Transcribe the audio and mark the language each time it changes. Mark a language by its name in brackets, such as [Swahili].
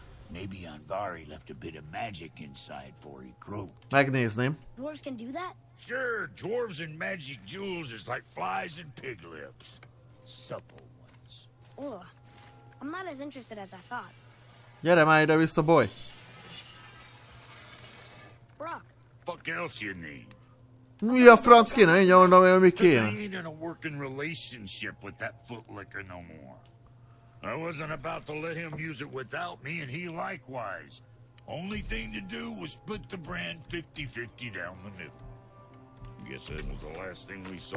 [English] Maybe Anvari left a bit of magic inside for he croaked. [Hungarian] Megnézném. [English] Dwarves can do that? Sure, dwarves and magic jewels is like flies and pig lips. Supple ones. Ugh. I'm not as interested as I thought. [Hungarian] Gyere már ide vissza, boy. [English] Brock. Fuck else you need? [Hungarian] Mi a franc kéne? Én gyarodom, hogy mi kéne. [English] Because I ain't in a working relationship with that footlicker no more. I wasn't about to let him use it without me, and he likewise. Only thing to do was split the brand 50-50 down the middle. I guess that was the last thing we saw